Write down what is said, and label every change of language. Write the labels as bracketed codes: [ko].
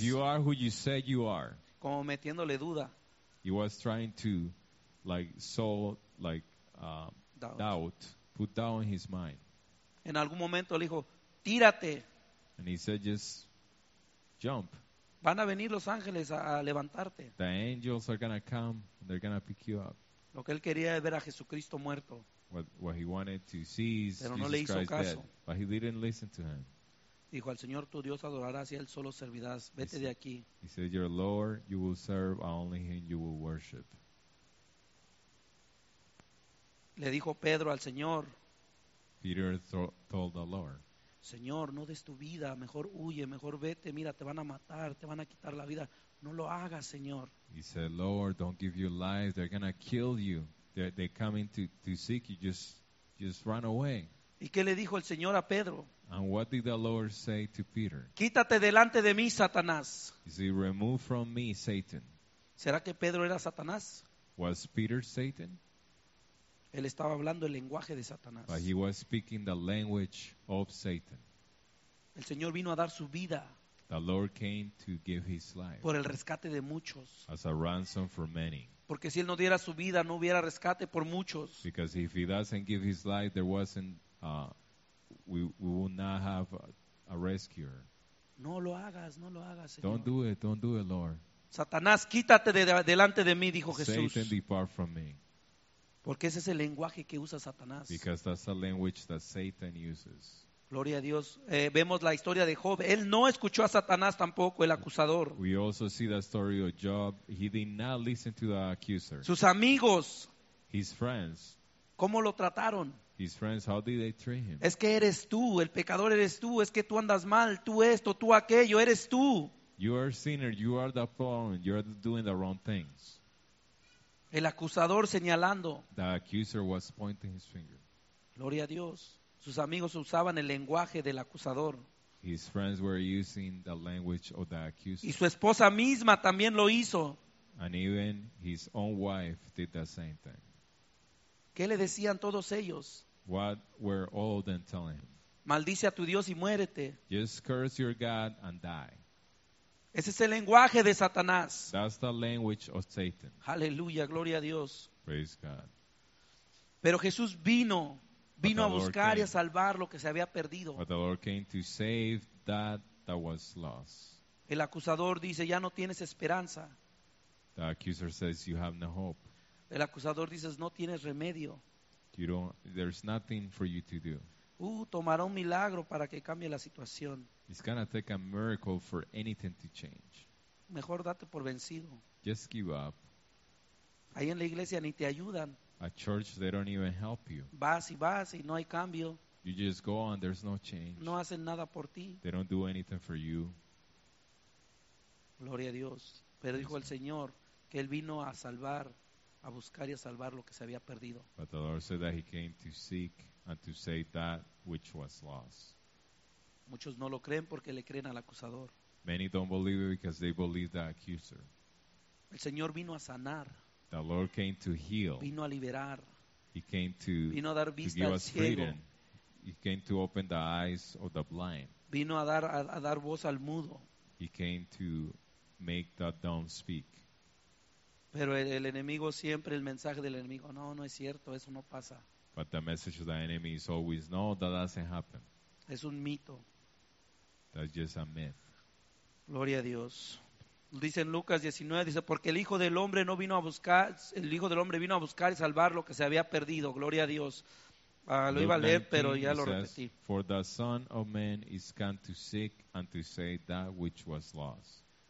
[en] if you are who you say you are, [es] como metiéndole duda, [en] he was trying to like sow like doubt, put doubt in his mind. [es] En algún momento le dijo, tírate. [en] And he said, just jump. [es] Van a venir los ángeles a levantarte. [en] The angels are gonna come, and they're gonna pick you up. [es] Lo que él quería es ver a Jesucristo muerto. [en] What he wanted to see is [es] pero [en] Jesus [es] no le hizo [en] Christ [es] caso. [en] Dead, but he didn't listen to him. [es] Dijo al Señor tu Dios adorarás y él solo servirás. Vete de aquí. [en] He said, your Lord, you will serve, only him you will worship. [es] Le dijo Pedro al Señor. [en] Peter told the Lord. [es] Señor, no des tu vida, mejor huye, mejor vete, mira, te van a matar, te van a quitar la vida. No lo hagas, Señor. [en] He said, Lord, don't give your life, they're going to kill you. They're coming to seek you, just run away. [es] ¿Y qué le dijo el Señor a Pedro? [en] And what did the Lord say to Peter? [es] Quítate delante de mí, Satanás. [en] He said, remove from me, Satan. [es] ¿Será que Pedro era Satanás? [en] Was Peter Satan? [es] Él estaba hablando el lenguaje de Satanás. [en] But he was speaking the language of Satan. [es] El Señor vino a dar su vida. [en] The Lord came to give his life. [es] Por el rescate de muchos. [en] As a ransom for many. [es] Porque si él no diera su vida, no hubiera rescate por muchos. [en] Because if he doesn't give his life, there wasn't we will not have a rescuer. [es] No lo hagas, no lo hagas, Señor. [en] Don't do it, Lord. [es] Satanás, quítate de delante de mí, dijo Jesús. [en] Satan, depart from me. [es] Porque ese es el lenguaje que usa Satanás. [en] Because that's the language that Satan uses. [es] Gloria a Dios. Vemos la historia de Job. Él no escuchó a Satanás tampoco, el acusador. [en] We also see the story of Job. He did not listen to the accuser. [es] Sus amigos. [en] His friends. [es] ¿Cómo lo trataron? [en] His friends, how did they treat him? [es] Es que eres tú, el pecador eres tú. Es que tú andas mal, tú esto, tú aquello, eres tú. [en] You are a sinner, you are the problem, you are doing the wrong things. [es] El acusador señalando. [en] The accuser was pointing his finger. [es] Gloria a Dios. Sus amigos usaban el lenguaje del acusador. [en] His friends were using the language of the accuser. [es] Y su esposa misma también lo hizo. [en] And even his own wife did the same thing. [es] ¿Qué le decían todos ellos? [en] What were all of them telling him? [es] Maldice a tu Dios y muérete. [en] Just curse your God and die. [es] Ese es el lenguaje de Satanás. [en] That's the language of Satan. [es] Aleluya, gloria a Dios. [en] Praise God. [es] Pero Jesús vino, vino a buscar y a salvar lo que se había perdido. [en] But the Lord came to save that was lost. [es] El acusador dice, ya no tienes esperanza. [en] The accuser says, you have no hope. [es] El acusador dice, no tienes remedio. [en] You don't, there's nothing for you to do. [es] Tomará un milagro para que cambie la situación. [en] It's going to take a miracle for anything to change. [es] Mejor date por vencido. [en] Just give up. [es] Ahí en la iglesia ni te ayudan. [en] A church, they don't even help you. [es] Vas y vas y no hay cambio. [en] You just go and there's no change. [es] No hacen nada por ti. [en] They don't do anything for you. [es] Gloria a Dios. Pero dijo el Señor que Él vino a salvar, a buscar y a salvar lo que se había perdido. [en] But the Lord said that He came to seek and to save that which was lost. [es] Muchos no lo creen porque le creen al acusador. [en] Many don't believe it because they believe the accuser. [es] El Señor vino a sanar. The Lord came to heal. Vino a liberar. [en] He came to, [es] vino a dar vista [en] to give [es] al [en] us [es] ciego. [en] Freedom. He came to open the eyes of the blind. [es] Vino a dar voz al mudo. [en] He came to make the dumb speak. [es] Pero el enemigo siempre, el mensaje del enemigo, no, no es cierto, eso no pasa. [en] But the message of the enemy is always, no, that doesn't happen. [es] Es un mito. [en] That's just a myth. [es] Gloria a Dios. Dice en Lucas 19, dice, porque el Hijo del Hombre no vino a buscar, el Hijo del Hombre vino a buscar y salvar lo que se había perdido. Gloria a Dios. Lo iba a leer, 19, pero ya lo [en] says, [es] repetí. [en] For the Son of Man is come to seek and to save that which was lost.